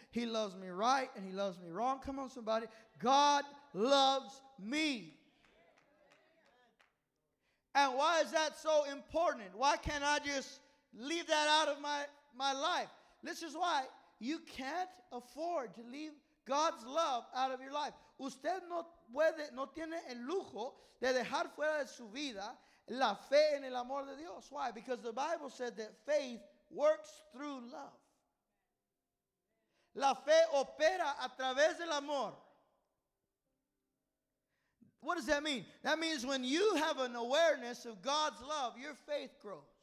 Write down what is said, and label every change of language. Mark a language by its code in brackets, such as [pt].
[en] He loves me right and he loves me wrong. Come on, somebody. God loves me. And why is that so important? Why can't I just leave that out of my life? This is why you can't afford to leave God's love out of your life. [es] Usted no puede, no tiene el lujo de dejar fuera de su vida la fe en el amor de Dios. [en] Why? Because the Bible said that faith works through love. [es] La fe opera a través del amor. [en] What does that mean? That means when you have an awareness of God's love, your faith grows.